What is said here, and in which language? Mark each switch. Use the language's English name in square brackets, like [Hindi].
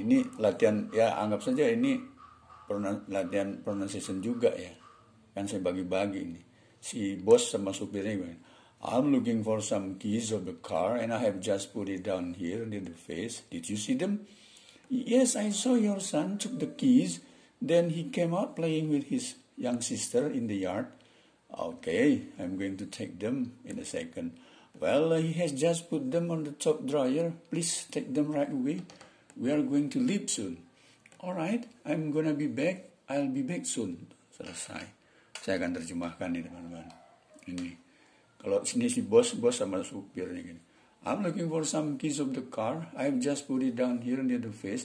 [Indonesian] Ini latihan, ya anggap saja ini latihan pronunciation juga ya. Kan saya bagi-bagi nih. Si bos sama supirnya gimana? [English] I'm looking for some keys of the car and I have just put it down here near the face. Did you see them? Yes, I saw your son took the keys. Then he came out playing with his young sister in the yard. Okay, I'm going to take them in a second. Well, he has just put them on the top drawer. Please take them right away. We are going to leave soon. Alright, I'm gonna be back. I'll be back soon. Selesai. [Indonesian] Saya akan terjemahkan nih teman-teman. Ini. Kalau sini si bos-bos sama supir nih. [English] I'm looking for some keys of the car. I've just put it down here near the face.